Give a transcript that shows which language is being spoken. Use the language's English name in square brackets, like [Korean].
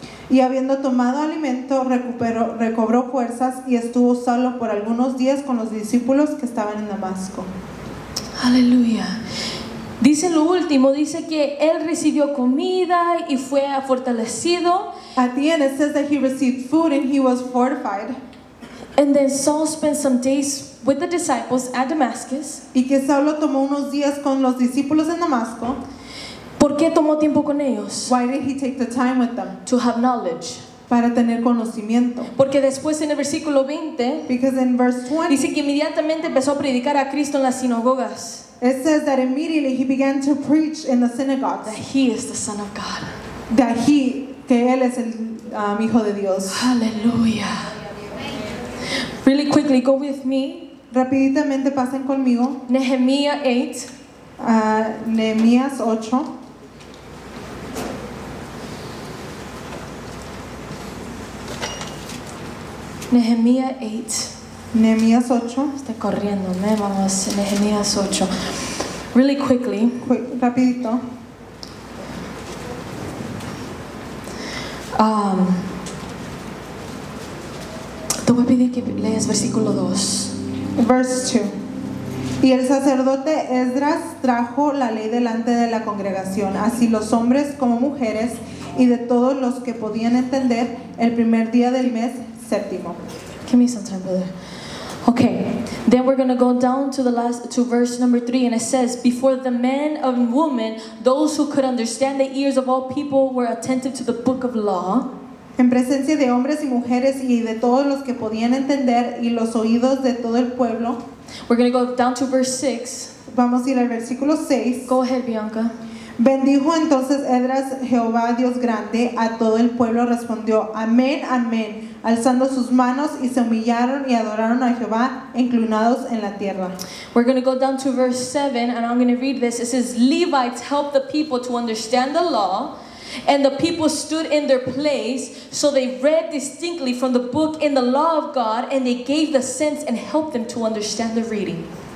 [Spanish] Y habiendo tomado alimento, recobró fuerzas y estuvo solo por algunos días con los discípulos que estaban en Damasco. Aleluya. Dice lo último, dice que él recibió comida y fue fortalecido. [English] At the end it says that he received food and he was fortified. And then Saul spent some days with the disciples at Damascus. [Spanish] Y que Saulo tomó unos días con los discípulos en Damasco. ¿Por qué tomó tiempo con ellos? [English] Why did he take the time with them? To have knowledge. [Spanish] Para tener conocimiento. Porque después en el versículo 20, [English] because in verse 20, [Spanish] dice que inmediatamente empezó a predicar a Cristo en las sinagogas. [English] It says that immediately he began to preach in the synagogues. That he is the Son of God. That he, [Spanish] que él es el Hijo de Dios. [English] Hallelujah. Really quickly, go with me. [Spanish] Rapiditamente pasen conmigo. [English] Nehemiah 8. [Spanish] Nehemías 8. [English] Nehemiah 8. [Spanish] Nehemías 8. Estoy corriendo, me vamos. Nehemías 8. [English] Really quickly. [Spanish] Rapidito. Te voy a pedir que leas versículo 2. [English] Verse 2. [Spanish] Y el sacerdote Esdras trajo la ley delante de la congregación, así los hombres como mujeres, y de todos los que podían entender, el primer día del mes séptimo. [English] Give me some time, brother. Okay, then we're going to go down to the last, to verse number 3, and it says, before the men and women, those who could understand, the ears of all people were attentive to the book of law. [Spanish] En presencia de hombres y mujeres y de todos los que podían entender y los oídos de todo el pueblo. [English] We're going to go down to verse 6. [Spanish] Vamos a ir al versículo 6. [English] Go ahead, Bianca. [Spanish] Bendijo entonces Esdras Jehová Dios grande a todo el pueblo, respondió amén, amén, alzando sus manos, y se humillaron y adoraron a Jehová inclinados en la tierra. [English] We're going to go down to verse 7, and I'm going to read this. It says, Levites help the people to understand the law, and the people stood in their place, so they read distinctly from the book in the law of God, and they gave the sense and helped them to understand the reading.